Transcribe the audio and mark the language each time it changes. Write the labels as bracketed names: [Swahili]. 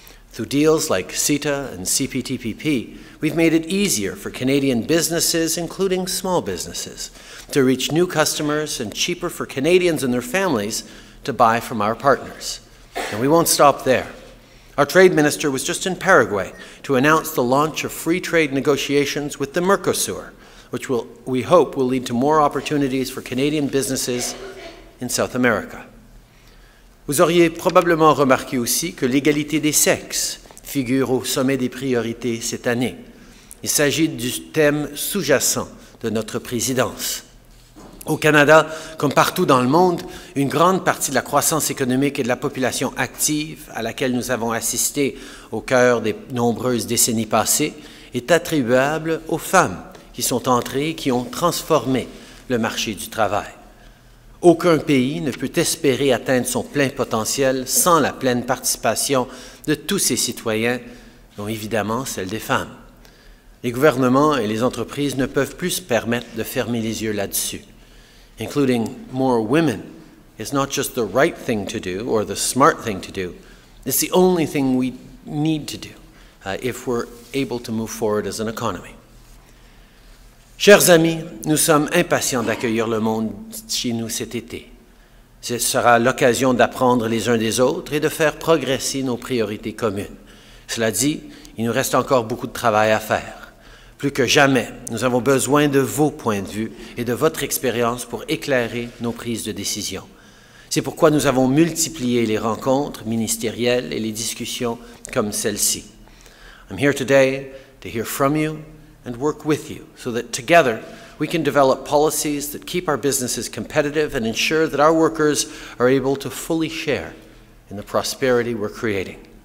[English] Through deals like CETA and CPTPP, we've made it easier for Canadian businesses, including small businesses, to reach new customers and cheaper for Canadians and their families to buy from our partners. And we won't stop there. Our trade minister was just in Paraguay to announce the launch of free trade negotiations with the Mercosur, which we hope will lead to more opportunities for Canadian businesses in South America. [French] Vous auriez probablement remarqué aussi que l'égalité des sexes figure au sommet des priorités cette année. Il s'agit du thème sous-jacent de notre présidence. Au Canada, comme partout dans le monde, une grande partie de la croissance économique et de la population active à laquelle nous avons assisté au cœur des nombreuses décennies passées est attribuable aux femmes qui sont entrées et qui ont transformé le marché du travail. Aucun pays ne peut espérer atteindre son plein potentiel sans la pleine participation de tous ses citoyens, dont évidemment celle des femmes. Les gouvernements et les entreprises ne peuvent plus se permettre de fermer les yeux là-dessus. [English] Including more women is not just the right thing to do or the smart thing to do, it's the only thing we need to do if we're able to move forward as an economy. [French] Chers amis, nous sommes impatients d'accueillir le monde chez nous cet été. Ce sera l'occasion d'apprendre les uns des autres et de faire progresser nos priorités communes. Cela dit, il nous reste encore beaucoup de travail à faire. Plus que jamais, nous avons besoin de vos points de vue et de votre expérience pour éclairer nos prises de décision. C'est pourquoi nous avons multiplié les rencontres ministérielles et les discussions comme celle-ci. [English] I'm here today to hear from you and work with you so that together we can develop policies that keep our businesses competitive and ensure that our workers are able to fully share in the prosperity we're creating.